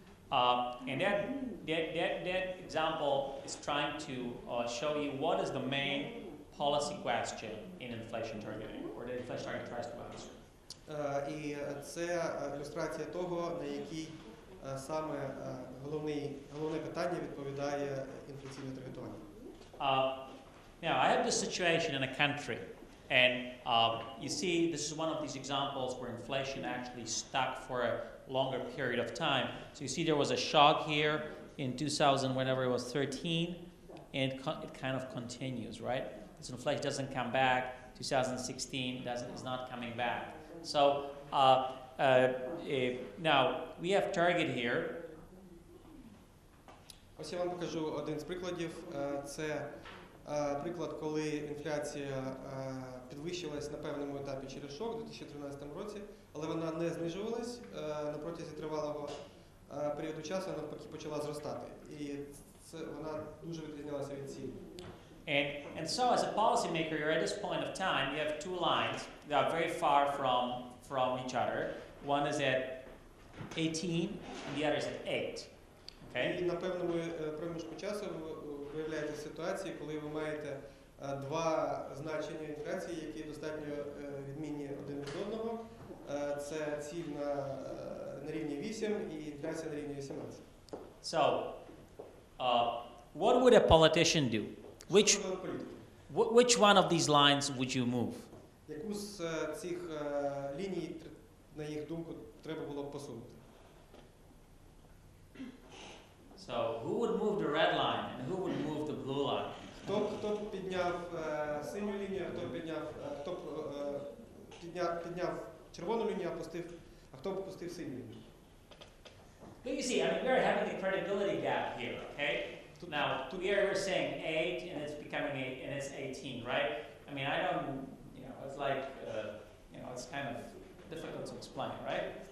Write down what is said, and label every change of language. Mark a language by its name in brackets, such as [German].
[English] And that example is trying to show you what is the main policy question in inflation targeting, or the inflation target tries to answer. [Ukrainian] І це ілюстрація того, на який саме головне питання відповідає інфляційне таргетування. [English] Now, I have this situation in a country, and you see, this is one of these examples where inflation actually stuck for a longer period of time. So you see there was a shock here in 2000, whenever it was 13, and it kind of continues, right? This inflation doesn't come back. 2016 is not coming back. So now, we have target here. [Ukrainian] Ось я вам покажу один з прикладів. Це приклад, коли інфляція підвищилась на певному етапі через шок у 2013 році, але вона не знижувалась на протязі тривалого періоду часу, вона навпаки почала зростати. І це вона дуже відрізнялася від цілі. [English] And so as a policymaker, you're at this point of time, you have two lines that are very far from each other. One is at 18 and the other is at 8. Okay? [Ukrainian] І на певному проміжку часу виявляєте ситуації, коли ви маєте два значення інфляції, які достатньо відмінні один від одного. Це ціль на рівні 8 і інфляція на рівні 18. [English] So, what would a politician do? Which one of these lines would you move? [Ukrainian] Яку з цих ліній, на їх думку, треба було б посунути? [English] So, who would move the red line and who would move the blue line? [Ukrainian] Хто б підняв синю лінію, хто б підняв червону лінію, а хто б опустив синю лінію? [English] But you see, I mean, we're having a credibility gap here, okay? Now, here we're saying 8 and it's becoming 8 and it's 18, right? I mean, I don't, it's like, it's kind of difficult to explain, right?